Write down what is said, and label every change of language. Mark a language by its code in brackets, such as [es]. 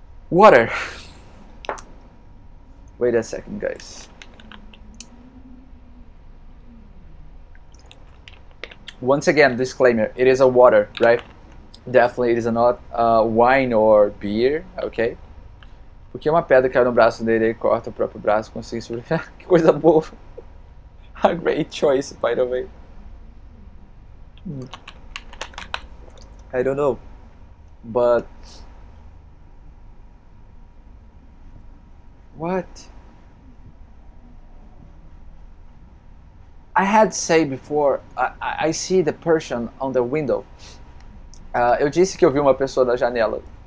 [en] Water. Wait a second, guys. Once again, disclaimer, it is a water, right? Definitely, it is not wine or beer, okay? [pt] Porque uma pedra caiu no braço dele e corta o próprio braço, consegue sobreviver. Que coisa boa. [en] A great choice, by the way. I don't know. But... What? I had said before, I see the person on the window. [pt] Eu disse que eu vi uma pessoa na janela.